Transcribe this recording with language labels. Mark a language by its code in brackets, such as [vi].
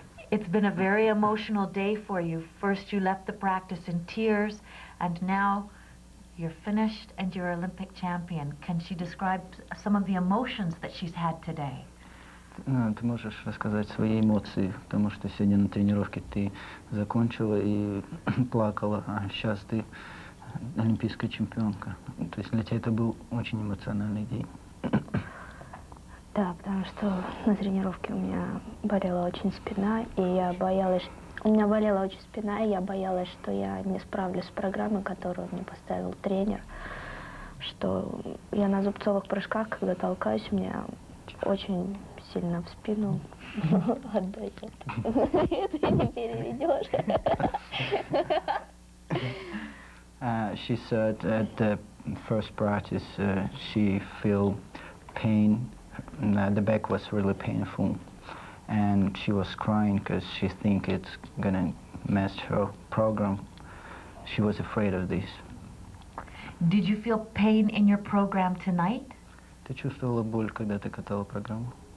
[en] It's been a very emotional day for you. First you left the practice in tears, and now you're finished and you're Olympic champion. Can she describe some of the emotions that she's had today? [ru] Ты можешь рассказать свои эмоции, потому что сегодня на тренировке ты закончила и плакала, а сейчас ты олимпийская чемпионка. То есть для тебя это был очень эмоциональный день. Да, потому что на тренировке у меня болела очень спина, и я боялась... У меня болела очень спина, и я боялась, что я не справлюсь с программой, которую мне поставил тренер, что я на зубцовых прыжках, когда толкаюсь, у меня очень... сильно в спину отдает. Это не переведешь. [en] She said at the first practice she feel pain. The back was really painful, and she was crying because she think it's gonna mess her program. She was afraid of this. Did you feel pain in your program tonight? [ru] Ты чувствовала боль, когда ты катала программу?